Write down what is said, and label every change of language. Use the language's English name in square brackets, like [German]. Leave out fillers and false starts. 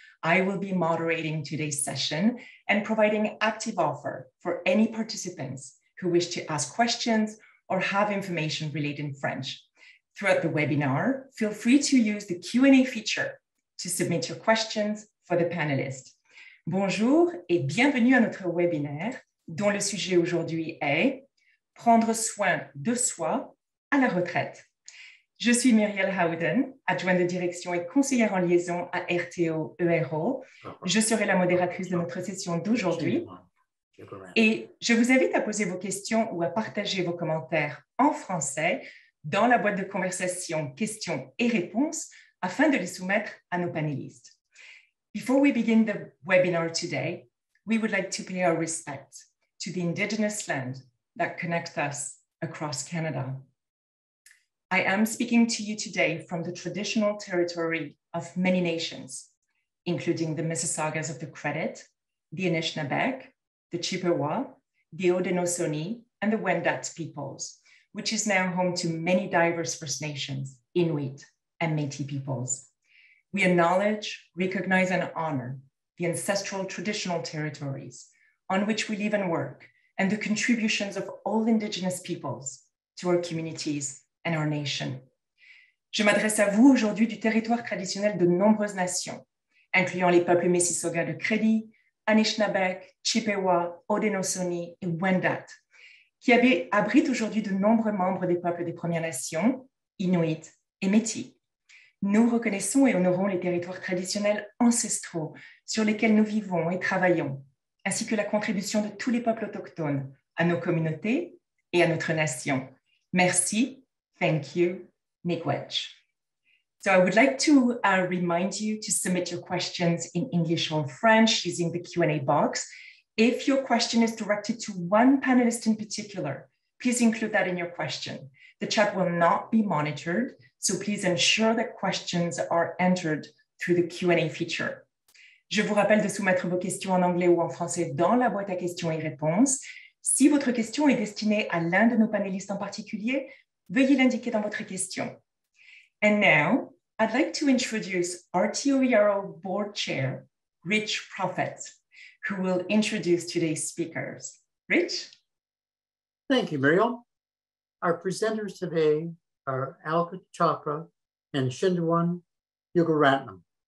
[English] I will be moderating today's session and providing active offer for any participants who wish to ask questions or have information related in French. Throughout the webinar, feel free to use the Q&A feature to submit your questions for the panelists. [French] Bonjour et bienvenue à notre webinaire dont le sujet aujourd'hui est prendre soin de soi à la retraite. Je suis Muriel Howden, adjointe de direction et conseillère en liaison à RTOERO. Je serai la modératrice de notre session d'aujourd'hui. Et je vous invite à poser vos questions ou à partager vos commentaires en français dans la boîte de conversation questions et réponses afin de les soumettre à nos panélistes. [English] Before we begin the webinar today, we would like to pay our respect to the indigenous land that connects us across Canada. I am speaking to you today from the traditional territory of many nations, including the Mississaugas of the Credit, the Anishinaabeg, the Chippewa, the Haudenosaunee, and the Wendat peoples, which is now home to many diverse First Nations, Inuit, and Métis peoples. We acknowledge, recognize, and honor the ancestral traditional territories on which we live and work, and the contributions of all Indigenous peoples to our communities and our nation. [French] Je m'adresse à vous aujourd'hui du territoire traditionnel de nombreuses nations, incluant les peuples Mississauga de Credit, Anishinaabeg, Chippewa, Haudenosaunee et Wendat, qui abritent aujourd'hui de nombreux membres des peuples des Premières Nations, Inuit et Métis. Nous reconnaissons et honorons les territoires traditionnels ancestraux sur lesquels nous vivons et travaillons, ainsi que la contribution de tous les peuples autochtones à nos communautés et à notre nation. Merci. [English] Thank you, Nikwetch. So I would like to remind you to submit your questions in English or French using the Q&A box. If your question is directed to one panelist in particular, please include that in your question. The chat will not be monitored, so please ensure that questions are entered through the Q&A feature. [French] Je vous rappelle de soumettre vos questions en anglais ou en français dans la boîte à questions et réponses. Si votre question est destinée à l'un de nos panélistes en particulier, veuillez l'indiquer dans votre question. [English] And now, I'd like to introduce RTOERO Board Chair, Rich Prophet, who will introduce today's speakers. Rich? Thank you, Muriel. Our presenters today are Alka Chopra and Shindujan Yogaratnam.